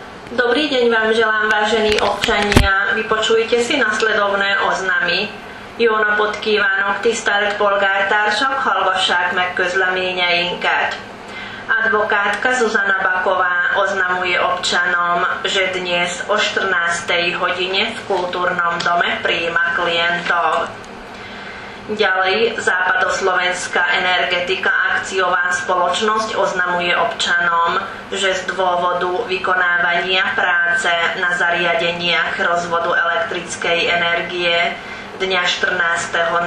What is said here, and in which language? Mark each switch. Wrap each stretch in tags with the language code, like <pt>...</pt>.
<sk>Dobrý deň vám želám, vážení občania. Vypočujte si nasledovné oznamy.</sk> <hu>Jónapot kívánok, tisztelt polgártársak, hallgassák meg közleményeinket.</hu> <sk>Advokátka Zuzana Baková oznamuje občanom, že dnes o 14. hodine v kultúrnom dome prijíma klientov. Ďalej Západoslovenská energetika akciová spoločnosť oznamuje občanom, že z dôvodu vykonávania práce na zariadeniach rozvodu elektrickej energie dňa 14.</sk>